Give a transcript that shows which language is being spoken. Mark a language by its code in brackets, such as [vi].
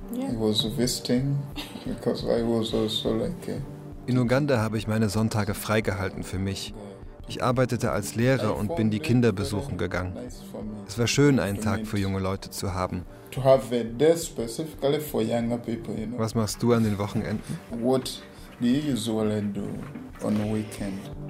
[en] Yeah. I was visiting because I was also like. [de] In Uganda habe ich meine Sonntage freigehalten für mich. Ich arbeitete als Lehrer und bin die Kinder besuchen gegangen. Es war schön, einen Tag für junge Leute zu haben. [en] To have a day specifically for younger people, you know. [de] Was machst du an den Wochenenden? [en] What do you usually do on the weekend?